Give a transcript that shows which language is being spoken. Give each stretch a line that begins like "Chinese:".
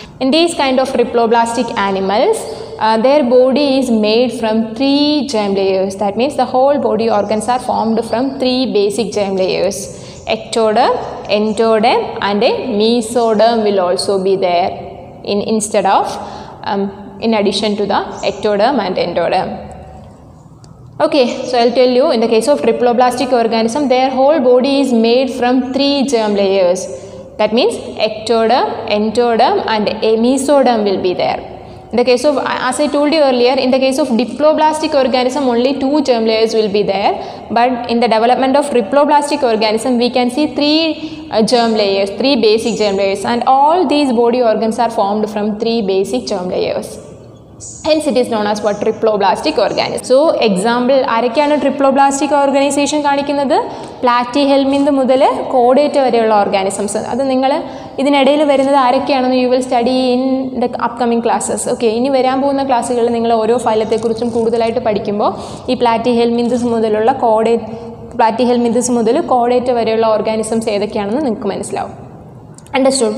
English: In these kind of triploblastic animals their body is made from three germ layers. That means the whole body organs are formed from three basic germ layers. Ectoderm, endoderm and a mesoderm will also be there instead of in addition to the ectoderm and endoderm. Okay, so I'll tell you, in the case of triploblastic organism, their whole body is made from three germ layers. That means ectoderm, endoderm and mesoderm will be there. In the case of, as I told you earlier, in the case of diploblastic organism, only two germ layers will be there. But in the development of triploblastic organism, we can see three germ layers, three basic germ layers. And all these body organs are formed from three basic germ layers. Hence it is known as what triploblastic organism. So example,
Malayalam: ആരൊക്കെയാണ് triploblastic ഓർഗാനൈസേഷൻ കാണിക്കുന്നത്? പ്ലാറ്റിഹെൽമിന്ത് മുതൽ caudate വരെയുള്ള organisms. അത് നിങ്ങൾ ഇതിനിടയിൽ വരുന്നത് ആരൊക്കെയാണെന്ന്
English: You will study in the upcoming classes.
Malayalam: Okay, ഇനി വരാൻ പോകുന്ന ക്ലാസ്സുകളിൽ നിങ്ങൾ ഓരോ ഫൈലത്തെക്കുറിച്ചും കൂടുതലായിട്ട് പഠിക്കുമ്പോൾ ഈ പ്ലാറ്റിഹെൽമിന്തസ് മുതലുള്ള പ്ലാറ്റിഹെൽമിന്തസ് മുതൽ കോഡേറ്റ് വരെയുള്ള ഓർഗാനിസംസ് ഏതൊക്കെയാണെന്ന് നിങ്ങൾക്ക് മനസ്സിലാവും. അണ്ടർസ്റ്റുഡ്?